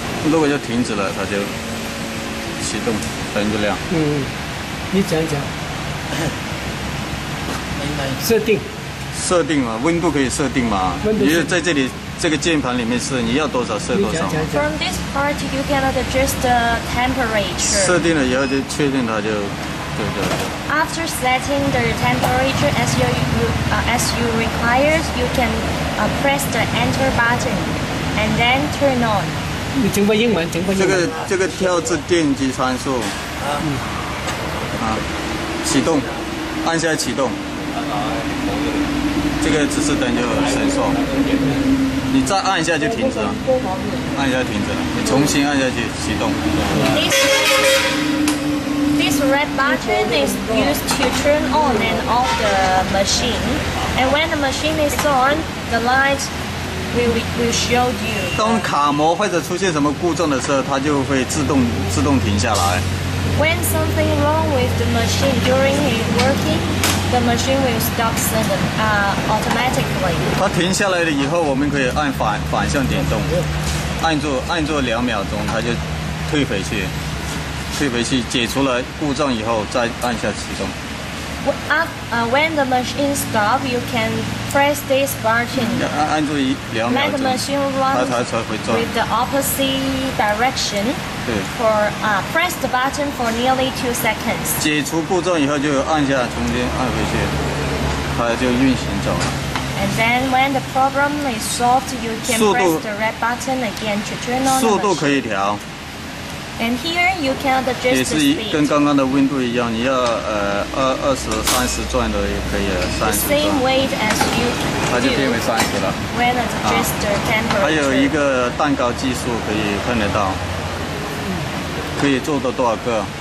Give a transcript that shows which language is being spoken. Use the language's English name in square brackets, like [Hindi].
[Chinese] 如果要停止了，它就启动，灯就亮。嗯，你讲一讲。设定。设定嘛，温度可以设定嘛？你就在这里。这个键盘里面是你要多少设多少。 [English] From this part you can adjust the temperature. [Chinese] 设定了以后就确定它就对对对。 [English] After setting the temperature as you require, you can press the enter button and then turn on. [Chinese] 你整个英文，整个英文。这个跳至电机参数。启动，按下启动。这个指示灯就闪烁。你再按一下就停止了，按一下停止了，你重新按下去启动。 [English] This red button is used to turn on and off the machine, and when the machine is on, the light will show you. [Chinese] 当卡模或者出现什么故障的时候，它就会自动停下来。 [English] When something wrong with the machine during it working. The machine will stop automatically. [Chinese] 它停下来了以后，我们可以按反向点动，按住两秒钟，它就退回去，解除了故障以后，再按下启动。 [English] When the machine stop, you can press this button. [Chinese] 按住两秒钟。 [English] Let the machine run [Chinese] 才会转。 [English] With the opposite direction. [Chinese] 对。 [English] Press the button for nearly 2 seconds. [Chinese] 解除故障以后就按下重新按回去，它就运行走了。 [English] And then when the problem is solved, you can press the red button again to turn on the machine. [Chinese] 速度可以调。 [English] And here you can adjust the speed. [Chinese] 也是跟刚刚的温度一样，你要二十三十转的也可以，三十转。 [English] The same weight as you. [Chinese] 它就变为三十了。 [English] When adjust the temperature. [Chinese] 还有一个蛋糕计数可以看得到，可以做到多少个？